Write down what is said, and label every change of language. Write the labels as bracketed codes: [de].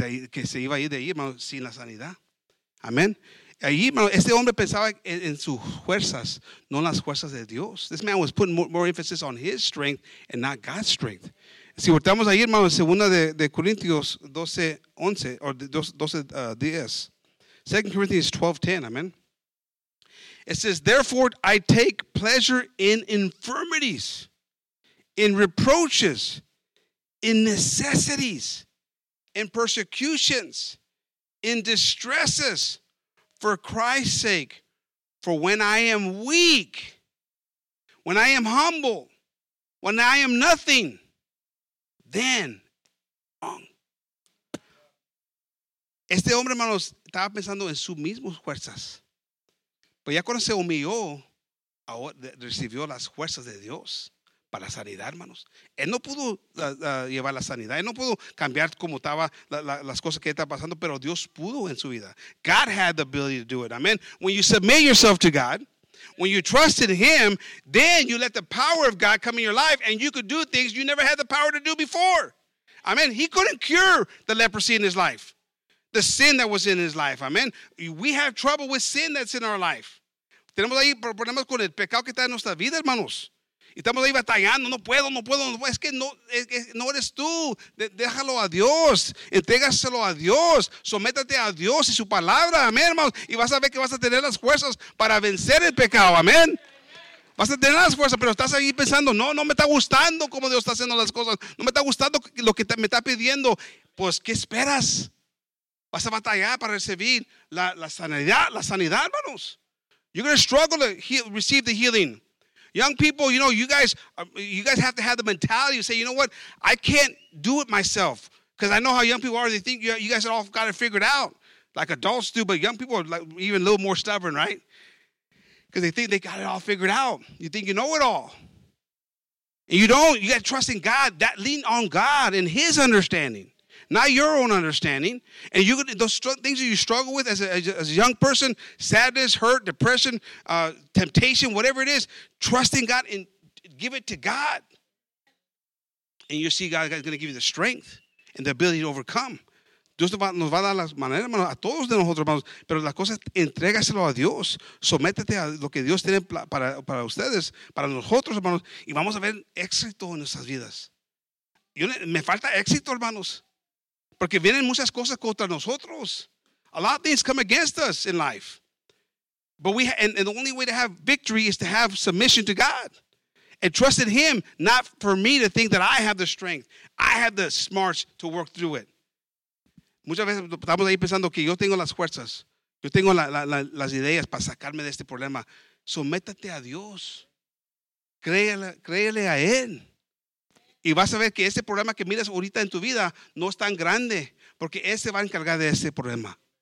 [es] Que se iba a ir de ahí, hermano, sin la sanidad. Amén. Allí, hermano, este hombre pensaba en sus fuerzas, no en las fuerzas de Dios. [en] This man was putting more emphasis on his strength and not God's strength. [es] Si voltamos ahí, hermano, en segunda de Corintios [en] 2 Corinthians 12:10, [es] amén. [en] It says, therefore I take pleasure in infirmities, in reproaches, in necessities, in persecutions, in distresses, for Christ's sake. For when I am weak, when I am humble, when I am nothing, then strong. [es] Este hombre, hermanos, estaba pensando en sus mismas fuerzas. Pero ya cuando se humilló, ahora recibió las fuerzas de Dios para sanidad, hermanos. Él no pudo llevar la sanidad. Él no pudo cambiar como estaba las cosas que estaba pasando, pero Dios pudo en su vida. [en] God had the ability to do it. Amen. When you submit yourself to God, when you trust in Him, then you let the power of God come in your life and you could do things you never had the power to do before. Amen. He couldn't cure the leprosy in his life, the sin that was in his life. Amen. We have trouble with sin that's in our life. [es] Tenemos ahí problemas con el pecado que está en nuestra vida, hermanos. Y estamos ahí batallando, no puedo. Es que no eres tú. Déjalo a Dios. Entrégaselo a Dios. Sométate a Dios y su palabra. Amén, hermanos. Y vas a ver que vas a tener las fuerzas para vencer el pecado. Amén. Vas a tener las fuerzas, pero estás ahí pensando, no me está gustando cómo Dios está haciendo las cosas. No me está gustando lo que me está pidiendo. Pues, ¿qué esperas? Vas a batallar para recibir la sanidad, hermanos. [en] You're going to struggle to receive the healing. Young people, you know, you guys have to have the mentality to say, you know what? I can't do it myself. Because I know how young people are. They think you guys all got it figured out. Like adults do, but young people are like even a little more stubborn, right? Because they think they got it all figured out. You think you know it all. And you don't. You got to trust in God. That lean on God and His understanding. Not your own understanding. And you those things that you struggle with as a young person, sadness, hurt, depression, temptation, whatever it is, trust in God and give it to God. And you see God is going to give you the strength and the ability to overcome. [es] Dios nos va a dar las maneras, hermano, a todos de nosotros, hermanos. Pero la cosa es, entrégaselo a Dios. Sométete a lo que Dios tiene para ustedes, para nosotros, hermanos. Y vamos a ver éxito en nuestras vidas. Me falta éxito, hermanos. Porque vienen muchas cosas contra nosotros. [en] A lot of things come against us in life. But the only way to have victory is to have submission to God. And trust in Him, not for me to think that I have the strength. I have the smarts to work through it. [es] Muchas veces estamos ahí pensando que yo tengo las fuerzas. Yo tengo las ideas para sacarme de este problema. Sométate a Dios. Créele a Él. Y vas a ver que ese problema que miras ahorita en tu vida no es tan grande, porque Él se va a encargar de ese problema.